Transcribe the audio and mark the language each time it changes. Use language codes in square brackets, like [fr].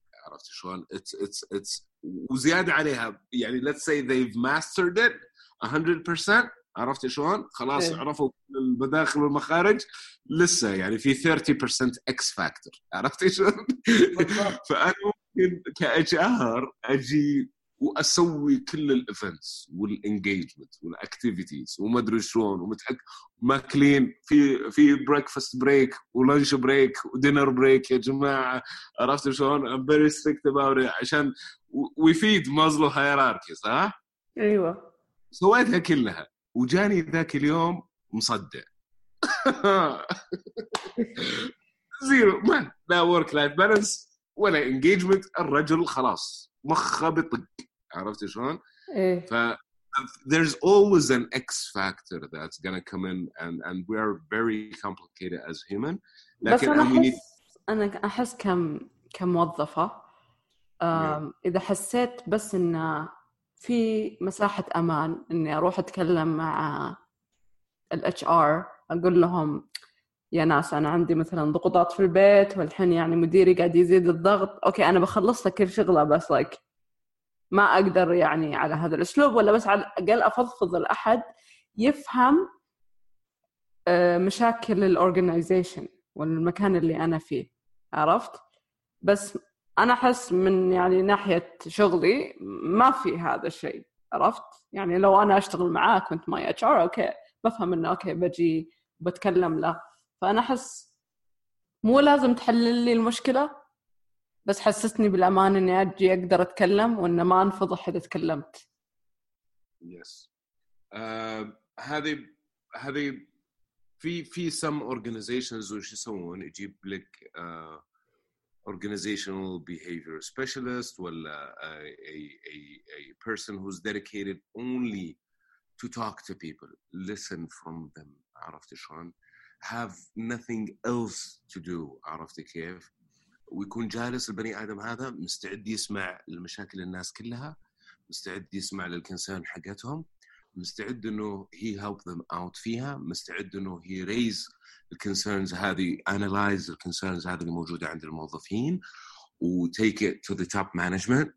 [ar] عرفت شلون؟ [en] it's [ar] وزيادة عليها يعني [en] let's say they've mastered it 100%. [ar] عرفت شلون؟ خلاص عرفوا المداخل والمخارج لسه يعني في 30% X factor. عرفت شلون؟ فأنا ممكن كHR أجي وأسوي كل الإيفنتس والإنجيجمنت والأكتيفيتيز وما أدري شلون ومتحك ما كلين في بريكفاست بريك ولانش بريك ودينر بريك يا جماعة. عرفت شلون؟ [en] I'm very strict about it [ar] عشان ويفيد مازلو هيراركي صح؟ أيوة سويتها كلها وجاني ذاك اليوم مصدع زيرو مان لا ورك لايف بالانس ولا انجيجمنت. الرجل خلاص مخه بطق. عرفت شلون؟ [en] ف there's always an x factor that's going to come in and we are very complicated as human. [ar] لكن بس أنا أحس كموظفه اذا حسيت بس ان في مساحة أمان إني أروح أتكلم مع الـ HR أقول لهم يا ناس أنا عندي مثلاً ضغوطات في البيت والحين يعني مديري قاعد يزيد الضغط أوكي أنا بخلص لك كل شغلة بس لك ما أقدر يعني على هذا الأسلوب ولا بس على الأقل أفضفض لأحد يفهم مشاكل الـ organization والمكان اللي أنا فيه. عرفت؟ بس أنا أحس من يعني ناحية شغلي ما في هذا الشيء. عرفت؟ يعني لو أنا أشتغل معاه كنت ماي HR أوكي بفهم إنه أوكي بجي بتكلم له. فأنا أحس مو لازم تحل لي المشكلة بس حسستني بالأمان إني أجي أقدر أتكلم وإن ما أنفضح إذا تكلمت. [en] yes [ar] هذه في [en] some organizations [ar] وش يسوون يجيب لك [en] organizational behavior specialist ولا a person who's dedicated only to talk to people, listen from them. [ar] عرفت شلون؟ [en] have nothing else to do. [ar] عرفت كيف؟ ويكون جالس البني آدم هذا مستعد يسمع المشاكل الناس كلها, مستعد يسمع للكنسان حقتهم, مستعد انه [en] he help them out [ar] فيها, مستعد انه [en] he raise concerns [ar] هذه, [en] analyze the concerns [ar] هذه الموجودة عند الموظفين و [en] take it to the top management.